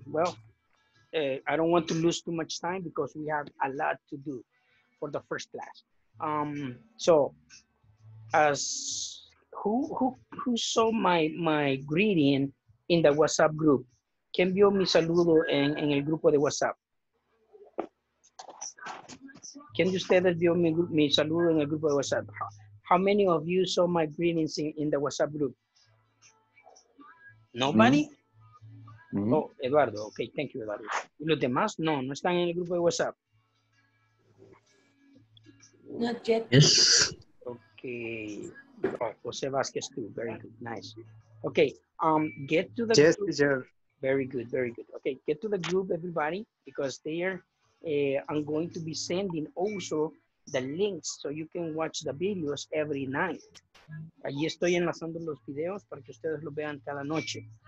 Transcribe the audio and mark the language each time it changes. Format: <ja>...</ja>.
<en>Well, I don't want to lose too much time because we have a lot to do for the first class. So, as who saw my greeting in the WhatsApp group?</en> <es>¿Quién vio mi saludo en el grupo de WhatsApp? ¿Quién de ustedes vio mi saludo en el grupo de WhatsApp?</es> <en>How many of you saw my greetings in the WhatsApp group? Nobody? Mm-hmm. Mm-hmm. Oh, Eduardo. Okay, thank you, Eduardo.</en> <es>¿Y los demás? No, no están en el grupo de WhatsApp.</es> <en>Not yet. Yes. Okay. Oh, José Vázquez too. Very good. Nice. Okay. Get to the yes, group. Sir. Very good. Very good. Okay, get to the group, everybody, because there I'm going to be sending also the links so you can watch the videos every night.</en> <es>Allí estoy enlazando los videos para que ustedes los vean cada noche.</es>